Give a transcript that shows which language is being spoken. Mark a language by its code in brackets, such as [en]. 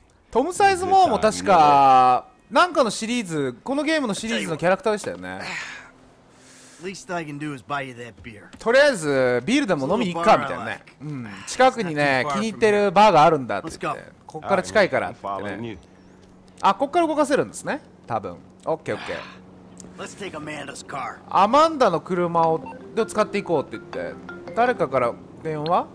[ja] トム・サイズ・モアも確か何かのシリーズ、このゲームのシリーズのキャラクターでしたよね。 [en] least I can do is buy you that beer. [ja] とりあえずビールでも飲み行くかみたいなね、うん、近くにね気に入ってるバーがあるんだって言って、こっから近いからって、ね、あ、こっから動かせるんですね多分。 [en] OK OK。 Let's take Amanda's car. [ja] アマンダの車を使っていこうって言って誰かから電話。